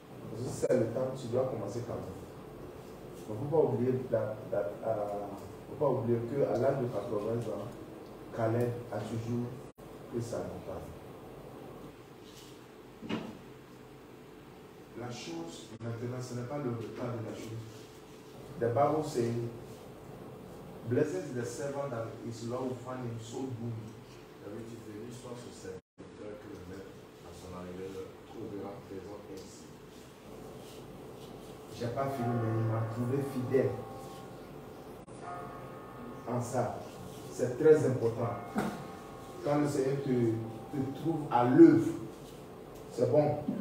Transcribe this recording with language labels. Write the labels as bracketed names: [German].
[French] Parce que c'est le temps, tu dois commencer quand même. Il ne faut pas oublier, oublier qu'à l'âge de 80 ans, Caleb a toujours pris sa montagne. La chose maintenant, ce n'est pas le retard de la chose. [English] The Bible says, blessed is the servant that his Lord find him so doing. [French] Il y avait une histoire sur ce serviteur que le maître, à son arrivée, le trouvera présent ainsi. J'ai pas fini, mais il m'a trouvé fidèle en ça. C'est très important. Quand le Seigneur te trouve à l'œuvre, c'est bon.